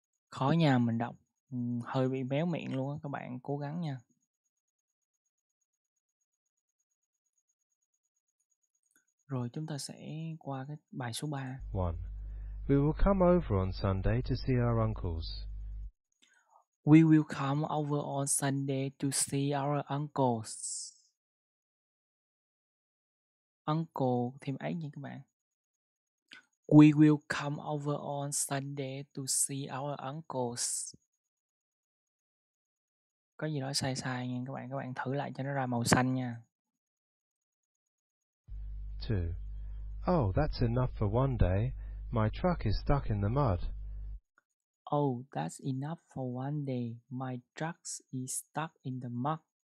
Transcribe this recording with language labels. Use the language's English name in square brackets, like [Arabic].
[Vietnamese] Khó nhà mình đọc hơi bị béo miệng luôn á, các bạn cố gắng nha. Rồi chúng ta sẽ qua cái bài số 3. 1. [English] We will come over on Sunday to see our uncles. We will come over on Sunday to see our uncles. [Vietnamese] Uncle thêm ấy nha các bạn. [English] We will come over on Sunday to see our uncles. [Vietnamese] Có gì đó sai sai nha các bạn thử lại cho nó ra màu xanh nha. [English] 2. Oh, that's enough for one day. My truck is stuck in the mud. Oh, that's enough for one day. My truck is stuck in the mud.